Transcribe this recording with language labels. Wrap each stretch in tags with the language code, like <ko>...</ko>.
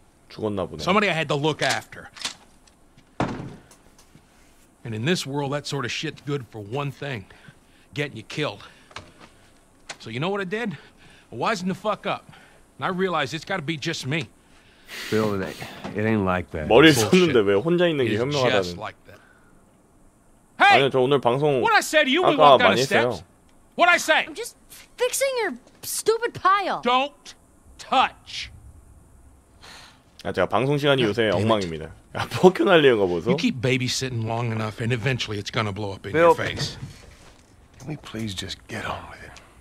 <ko>죽었나 보네.</ko> <en>Somebody I had to look after. And in this world, that sort of shit's good for one thing. Getting you killed. So you know what I did? I wisened the fuck up. And I realized it's gotta be just me. Bill, it ain't like that.</en> <ko>머리 썼는데 왜 혼자 있는 게 현명하다는.</ko> <en>Hey,</en> <ko>아니 저 오늘 방송</ko> <en>what I said, you would walk on the steps. What I say? I'm just fixing your stupid pile. Don't touch.</en> <ko>아 제가 방송 시간이 요새 엉망입니다. 야, 폭큰 날리는 거 보소.</ko> <en>You keep babysitting long enough and eventually it's gonna blow up in your face. Can we please just get on with it?</en>